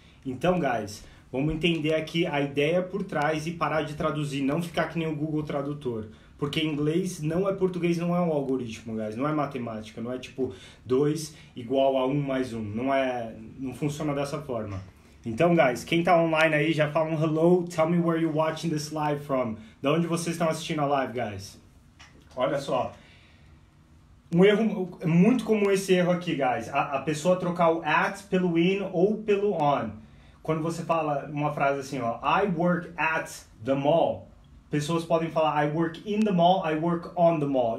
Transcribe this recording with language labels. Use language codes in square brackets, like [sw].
[pt] Então, guys, vamos entender aqui a ideia por trás e parar de traduzir. Não ficar que nem o Google Tradutor. Porque inglês não é português, não é um algoritmo, guys. Não é matemática, não é tipo 2 igual a 1 mais 1. Não funciona dessa forma. Então, guys, quem tá online aí, já fala um hello. [en] Tell me where you're watching this live from. [pt] De onde vocês estão assistindo a live, guys? Olha só. Um erro, é muito comum esse erro aqui, guys. A pessoa trocar o at pelo in ou pelo on. Quando você fala uma frase assim, ó, [en] I work at the mall. [pt] Pessoas podem falar, [en] I work in the mall, I work on the mall.